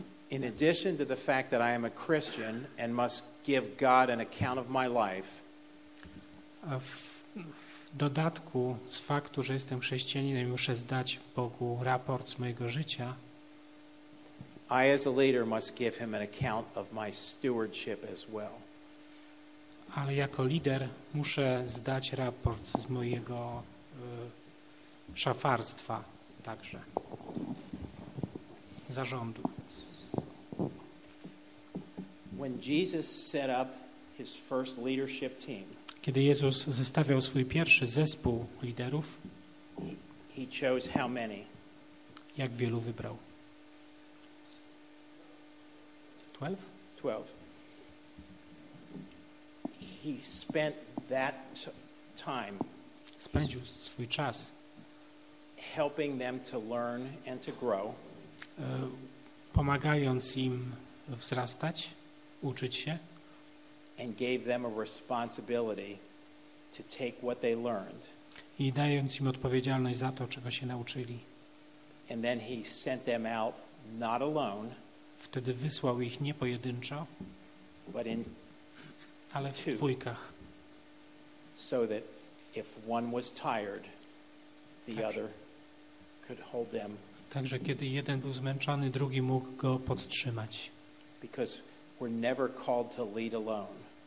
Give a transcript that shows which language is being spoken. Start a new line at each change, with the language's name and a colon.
English: In addition to the fact that I am a Christian and must give God an account of my life.
Polish: W dodatku z faktu, że jestem chrześcijaninem, muszę zdać Bogu raport z mojego życia.
English: I as a leader must give him an account of my stewardship as well.
Polish: Ale jako lider muszę zdać raport z mojego szafarstwa także. Zarządu.
English: When Jesus set up his first leadership team,
Polish: kiedy Jezus zestawiał swój pierwszy zespół liderów,
English: he chose how many?
Polish: Jak wielu wybrał?
English: 12? He spent that time,
Polish: spędził swój czas
English: helping them to learn and to grow,
Polish: pomagając im wzrastać, uczyć się,
English: and gave them a responsibility to take what they learned.
Polish: I dając im odpowiedzialność za to, czego się nauczyli.
English: And then he sent them out not alone.
Polish: Wtedy wysłał ich nie pojedynczo,
English: but in
Polish: ale w dwójkach.
English: So that if one was tired, the
Polish: także
English: other could hold them.
Polish: Także kiedy jeden był zmęczony, drugi mógł go podtrzymać.
English: Because we're never called to lead alone.